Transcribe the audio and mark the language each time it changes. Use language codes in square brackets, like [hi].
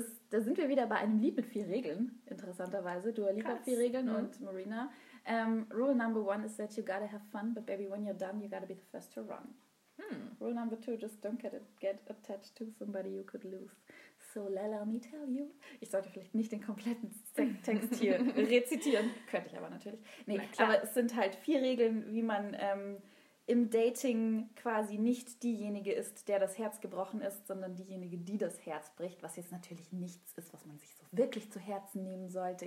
[de] Da sind wir wieder bei einem Lied mit vier Regeln, interessanterweise. Dua Lipa hat vier Regeln und Marina. [en] Rule number one is that you gotta have fun, but baby, when you're done, you gotta be the first to run. Rule number two, just don't get attached to somebody you could lose. So let me tell you. [de] Ich sollte vielleicht nicht den kompletten Text hier rezitieren. Könnte ich aber natürlich. Nee, na klar. Aber es sind halt vier Regeln, wie man im Dating quasi nicht diejenige ist, der das Herz gebrochen ist, sondern diejenige, die das Herz bricht, was jetzt natürlich nichts ist, was man sich so wirklich zu Herzen nehmen sollte.